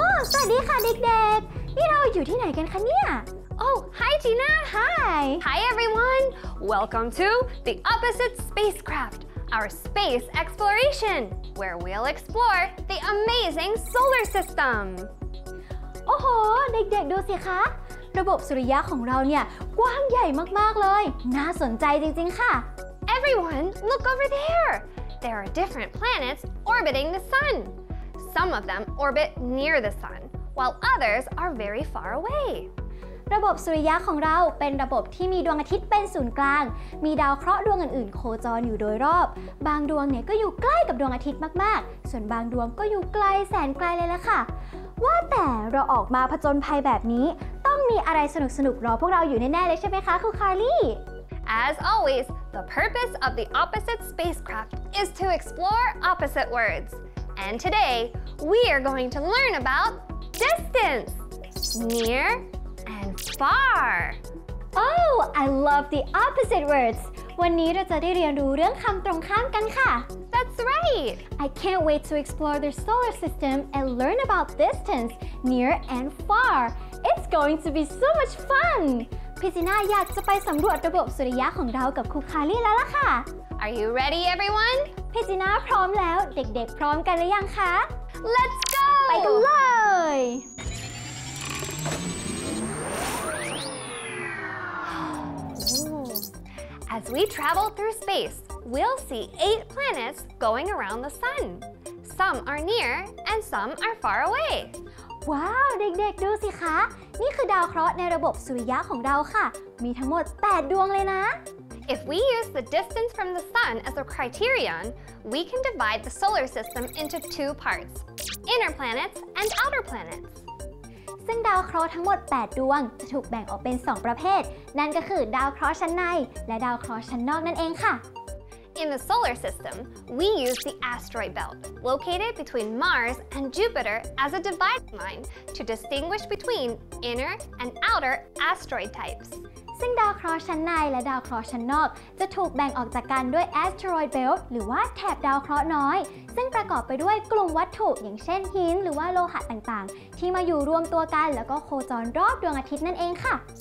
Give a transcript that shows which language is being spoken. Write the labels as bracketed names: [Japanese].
[Thai] สวัสดีค่ะเด็กๆนี่เราอยู่ที่ไหนกันคะเนี่ย [English] Oh, hi Gina. Hi. Hi everyone. Welcome to the Opposite Spacecraft, our space exploration, where we'll explore the amazing solar system. [Thai] โอ้โหเด็กๆดูสิคะระบบสุริยะของเราเนี่ยกว้างใหญ่มากๆเลยน่าสนใจจริงๆค่ะ [English] Everyone, look over there. There are different planets orbiting the sun. Some of them orbit near the sun, while others are very far away. [Thai] ระบบสุริยะของเราเป็นระบบที่มีดวงอาทิตย์เป็นศูนย์กลางมีดาวเคราะห์ดวงอื่นๆโคจรอยู่โดยรอบบางดวงเนี่ยก็อยู่ใกล้กับดวงอาทิตย์มากๆส่วนบางดวงก็อยู่ไกลแสนไกลเลยล่ะค่ะว่าแต่เราออกมาผจญภัยแบบนี้ต้องมีอะไรสนุกๆรอพวกเราอยู่แน่ๆเลยใช่ไหมคะครูคาร์ลี่ [English] As always, the purpose of the opposite spacecraft is to explore opposite words. And today, we are going to learn about distance, near and far. Oh, I love the opposite words. [Thai] วันนี้เราจะได้เรียนรู้เรื่องคำตรงข้ามกันค่ะ [English] That's right. I can't wait to explore the solar system and learn about distance, near and far. It's going to be so much fun. [Thai] พี่จีน่าอยากจะไปสำรวจระบบสุริยะของเรากับครูคาลี่แล้วล่ะค่ะ [English] Are you ready, everyone? [Thai] พี่จีน่าพร้อมแล้วเด็กๆพร้อมกันหรือยังคะ [English] Let's go [Thai] ไปกันเลย [English] As we travel through space, we'll see eight planets going around the sun. Some are near and some are far away. [Thai] ว้าวเด็กๆดูสิคะนี่คือดาวเคราะห์ในระบบสุริยะของเราค่ะมีทั้งหมด8ดวงเลยนะ [English] If we use the distance from the sun as a criterion, we can divide the solar system into two parts, inner planets and outer planets. [Thai] ซึ่งดาวเคราะห์ทั้งหมด8ดวงจะถูกแบ่งออกเป็น2ประเภทนั่นก็คือดาวเคราะห์ชั้นในและดาวเคราะห์ชั้นนอกนั่นเองค่ะ [English] In the solar system, we use the asteroid belt, located between Mars and Jupiter as a dividing line to distinguish between inner and outer asteroid types. [Thai] ซึ่งดาวเคราะห์ชั้นในและดาวเคราะห์ชั้นนอกจะถูกแบ่งออกจากกันด้วย asteroid belt หรือว่าแถบดาวเคราะห์น้อยซึ่งประกอบไปด้วยกลุ่มวัตถุอย่างเช่นหินหรือว่าโลหะต่างๆที่มาอยู่รวมตัวกันแล้วก็โคจรรอบดวงอาทิตย์นั่นเองค่ะ